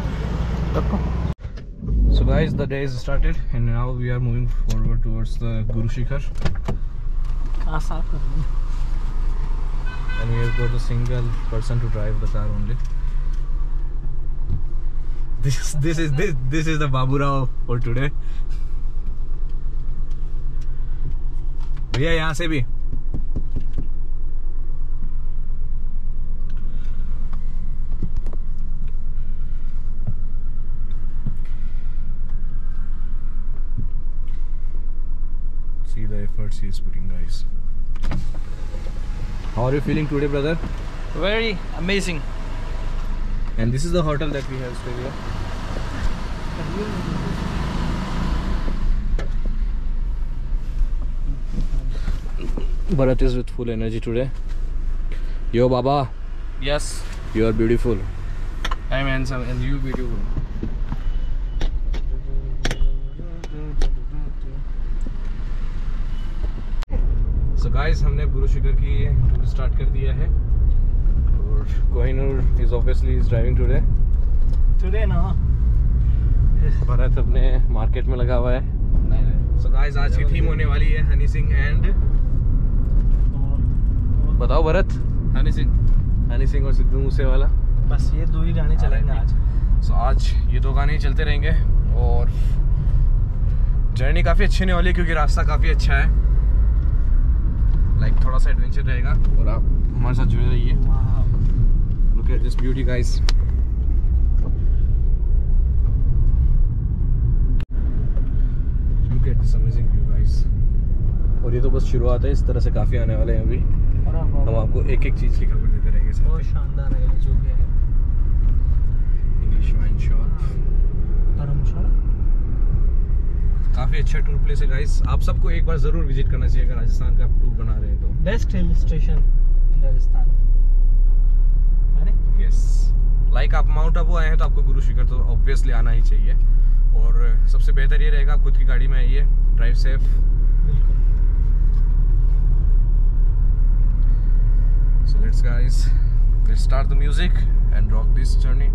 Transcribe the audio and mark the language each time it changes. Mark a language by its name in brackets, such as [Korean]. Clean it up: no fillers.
[English] So guys, the day is started and now we are moving forward towards the Guru Shikhar. And we have got a single person to drive the car only. This is the Baburao for today. [Hindi] भैया यहाँ से भी [English] see the efforts he is putting guys. How are you feeling today brother? Very amazing. And this is the hotel that we have stayed here. Bharat is with full energy today. Yo Baba. Yes. You are beautiful. I'm handsome and you beautiful. So guys, [Hindi] हमने गुरु शिखर की tour start कर दिया है और Kohinoor [English] is obviously is driving today. Today ना. [Hindi] भरत अपने market में लगा हुआ है. [English] So guys, [Hindi] आज की थीम होने वाली है हनी सिंह एंड बताओ भरत हनी सिंह और सिद्धू मूसेवाला. बस ये दो ही गाने चलेंगे आज. So आज ये दो गाने ही चलते रहेंगे और जर्नी काफी अच्छी होने वाली है क्योंकि रास्ता काफी अच्छा है. Like थोड़ा सा एडवेंचर रहेगा और आप हमारे साथ जुड़े रहिए. [English] Look at this beauty guys. Look at this amazing view guys. [Hindi] और ये तो बस शुरुआत है, इस तरह से काफी आने वाले हैं अभी. हम आपको एक एक चीज की खबर देते रहेंगे सर. बहुत शानदार है जो भी है. [English] English wine shop [Hindi] धर्मशाला काफी अच्छा टूर प्लेस है गाइस. आप सबको एक बार जरूर विजिट करना चाहिए अगर राजस्थान का टूर बना रहे हैं तो. [English] best hill station in Rajasthan [Hindi] है ना. यस लाइक आप माउंट आबू आए हैं तो आपको गुरु शिखर तो ऑब्वियसली आना ही चाहिए. और सबसे बेहतर ये रहेगा खुद की गाड़ी में आइए, [English] Drive safe. Let's guys, let's start the music and rock this journey.